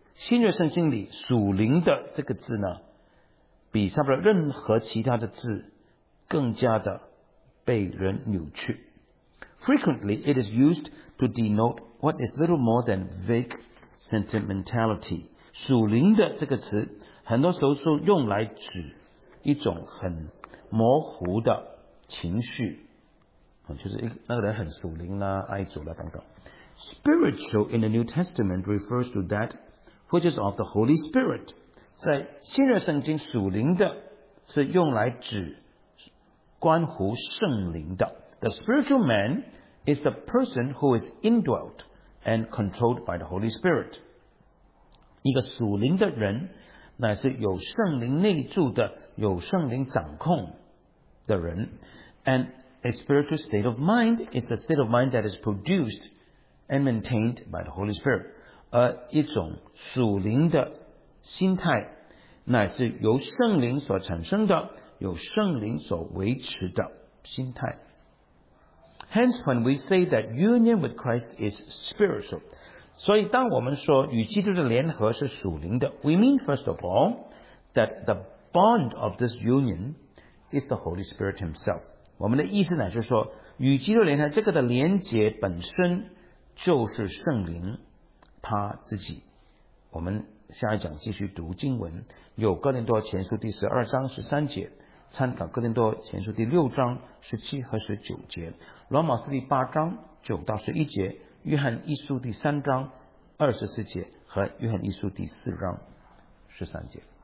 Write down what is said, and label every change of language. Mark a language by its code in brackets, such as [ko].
[zh] 新约圣经里属灵的这个字呢，比差不多任何其他的字更加的被人扭曲。 [en] Frequently, it is used to denote what is little more than vague sentimentality. [zh] 属灵的这个词很多时候是用来指一种很模糊的情绪，就是那个人很属灵啦，爱主啦等等。 [en] Spiritual in the New Testament refers to that which is of the Holy Spirit. [zh] 在新约圣经，属灵的是用来指关乎圣灵的。 [en] The spiritual man is the person who is indwelt and controlled by the Holy Spirit. [zh] 一个属灵的人乃是有圣灵内住的，有圣灵掌控的人。 [en] And a spiritual state of mind is a state of mind that is produced and maintained by the Holy Spirit. [zh] 而一种属灵的心态乃是由圣灵所产生的，有圣灵所维持的心态。 [en] Hence, when we say that union with Christ is spiritual, [zh] 所以当我们说与基督的联合是属灵的， [en] we mean first of all that the bond of this union is the Holy Spirit himself. [zh] 我们的意思呢就是说与基督联合这个的连结本身就是圣灵他自己。我们下一讲继续读经文，有哥林多前书第十二章十三节，参考哥林多前书第六章十七和十九节，罗马书第八章九到十一节，约翰一书第三章二十四节和约翰一书第四章十三节。